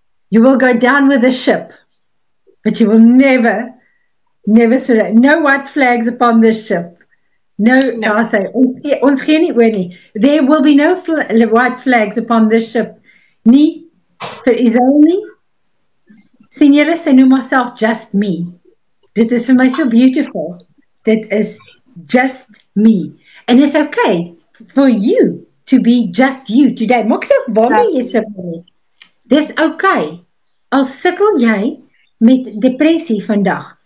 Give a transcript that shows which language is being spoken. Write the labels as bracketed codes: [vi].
[en] You will go down with the ship, but you will never, never surrender. No white flags upon this ship. No. [af] Daar sê, ons gee nie oor nie. [en] There will be no white flags upon this ship. [af] Nie vir Izelle nie. Sien julle, sy noem myself [en] just me. [af] Dit is vir my so beautiful. [en] That is just me. And it's okay for you to be just you today. [af] Moks ook waarmee jy sukkel. Dis okay. Al sukkel jy met depressie vandag.